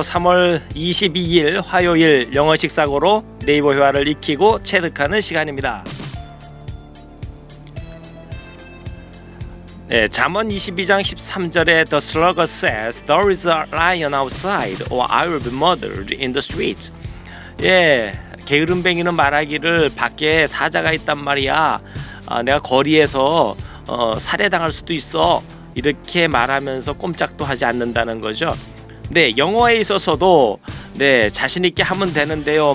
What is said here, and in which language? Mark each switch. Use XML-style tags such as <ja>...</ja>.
<ko>3월 22일 화요일 영어식 사고로 네이버 회화를 익히고 체득하는 시간입니다.</ko> <en>네,</en> <ko>잠언 22장 13절에</ko> <en>The slugger says there is a lion outside or I will be murdered in the streets.</en> <ko>예, 게으름뱅이는 말하기를 밖에 사자가 있단 말이야. 아, 내가 거리에서 살해당할 수도 있어. 이렇게 말하면서 꼼짝도 하지 않는다는 거죠. 네, 영어에 있어서도 네, 자신 있게 하면 되는데요.</ko>